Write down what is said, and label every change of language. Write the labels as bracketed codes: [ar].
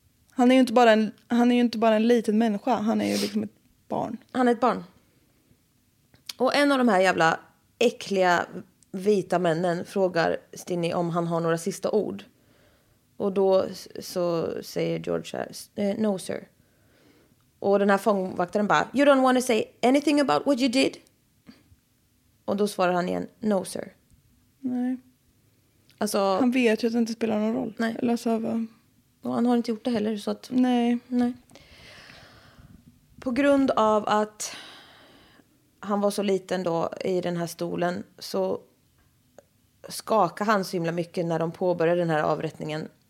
[sv] Han är ju inte bara en liten människa. Han är ju liksom ett barn. Han är ett barn. Och en av de här jävla äckliga vita männen frågar Stinny om han har några sista ord. Och då så säger George här, [en] no sir. [sv] Och den här fångvaktaren bara, [en] you don't want to say anything about what you did? [sv] Och då svarar han igen, [en] no sir. [sv] Nej. Alltså, han vet ju att det inte spelar någon roll. Nej. Eller så, Och han har inte gjort det heller, så att... Nej. Nej. På grund av att han var så liten då i den här stolen så skakade han så himla mycket när de påbörjade den här avrättningen.